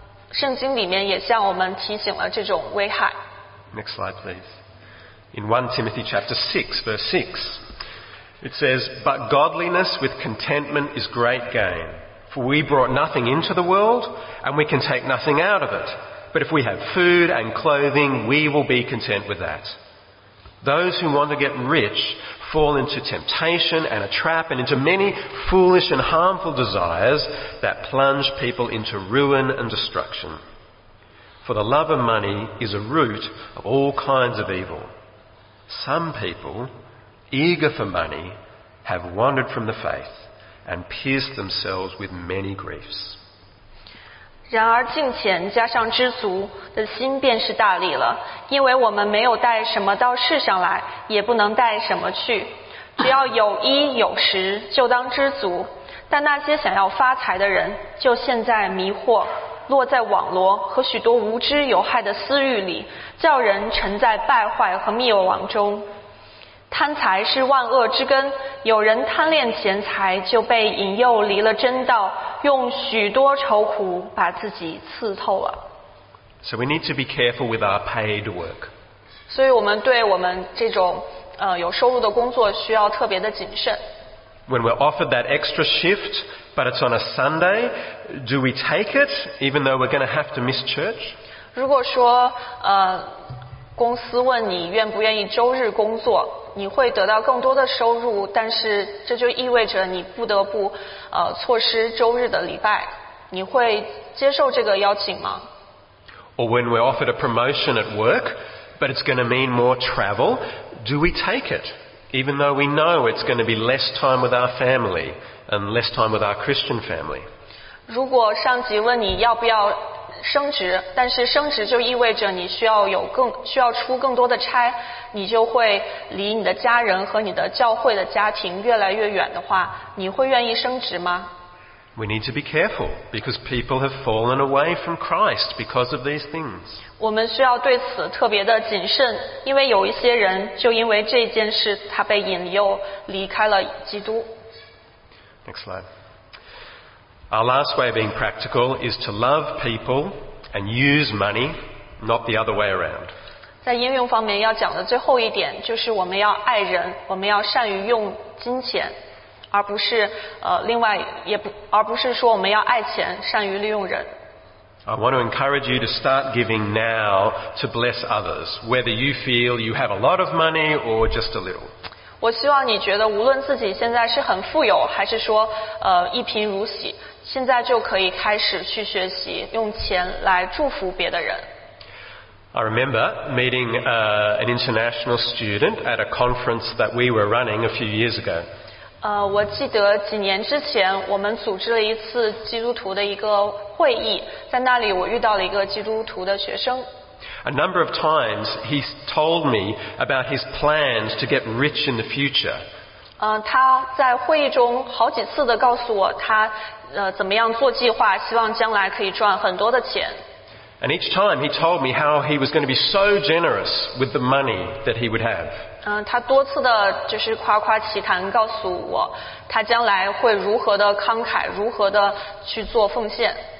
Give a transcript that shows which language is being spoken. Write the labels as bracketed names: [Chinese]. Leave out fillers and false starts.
[Chinese] 圣经里面也向我们提醒了这种危害。 [English] Next slide, please. In 1 Timothy chapter 6, verse 6, it says, But godliness with contentment is great gain. For we brought nothing into the world, and we can take nothing out of it. But if we have food and clothing, we will be content with that. Those who want to get rich fall into temptation and a trap and into many foolish and harmful desires that plunge people into ruin and destruction. For the love of money is a root of all kinds of evil. Some people, eager for money, have wandered from the faith and pierced themselves with many griefs. [Chinese] 然而敬虔加上知足的心便是大力了，因为我们没有带什么到世上来，也不能带什么去，只要有衣有食就当知足。但那些想要发财的人就陷在迷惑，落在网罗和许多无知有害的私欲里，叫人沉在败坏和灭亡中。贪财是万恶之根，有人贪恋钱财就被引诱离了真道，用许多愁苦把自己刺透了。 [English] So we need to be careful with our paid work. [Chinese] 所以我们对我们这种有收入的工作需要特别的谨慎。 [English] When we're offered that extra shift but it's on a Sunday, do we take it even though we're going to have to miss church? [Chinese] 如果说公司问你愿不愿意周日工作，你会得到更多的收入，但是这就意味着你不得不错失周日的礼拜，你会接受这个邀请吗？ [English] Or when we're offered a promotion at work, but it's going to mean more travel, do we take it? Even though we know it's going to be less time with our family and less time with our Christian family. [Chinese] 如果上级问你要不要升职，但是升职就意味着你需要出更多的差，你就会离你的家人和你的教会的家庭越来越远的话，你会愿意升职吗？ [English] We need to be careful because people have fallen away from Christ because of these things. [Chinese] 我们需要对此特别的谨慎，因为有一些人就因为这件事他被引诱离开了基督。 [English] Next slide. Our last way of being practical is to love people and use money, not the other way around. [Chinese] 在应用方面要讲的最后一点就是我们要爱人，我们要善于用金钱，而不是另外也不而不是说我们要爱钱，善于利用人。 [English] I want to encourage you to start giving now to bless others, whether you feel you have a lot of money or just a little. [Chinese] 我希望你觉得无论自己现在是很富有，还是说一贫如洗，现在就可以开始去学习用钱来祝福别的人。 [English] I remember meeting an international student at a conference that we were running a few years ago. [Chinese] 我记得几年之前我们组织了一次基督徒的一个会议，在那里我遇到了一个基督徒的学生。 [English] A number of times he told me about his plans to get rich in the future. [Chinese] 他在会议中好几次的告诉我他怎么样做计划，希望将来可以赚很多的钱。 [English] And each time he told me how he was going to be so generous with the money that he would have. [Chinese] 他多次的就是夸夸其谈告诉我他将来会如何的慷慨，如何的去做奉献。